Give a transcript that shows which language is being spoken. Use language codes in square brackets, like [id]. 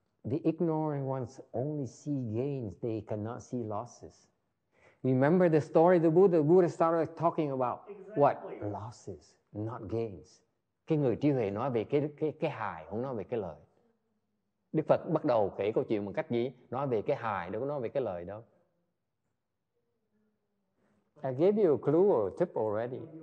[en] The ignorant ones only see gains, they cannot see losses. Remember the story the Buddha started talking about? Exactly. What? Losses, not gains. [vi] Cái người trí huệ nói về cái hại, không nói về cái lợi. Đức Phật bắt đầu kể câu chuyện bằng cách gì? Nói về cái hại, đâu có nói về cái lợi đâu. [en] I gave you a clue or a tip already.